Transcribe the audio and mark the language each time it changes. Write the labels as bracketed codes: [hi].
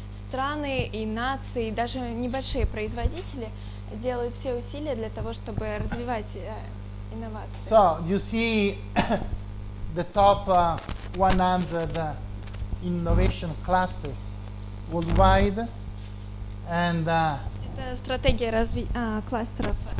[ru] Страны и нации, даже небольшие производители делают все усилия для того, чтобы развивать инновации. [en] So, you see the top 100 innovation clusters worldwide and [ru] это стратегия кластеров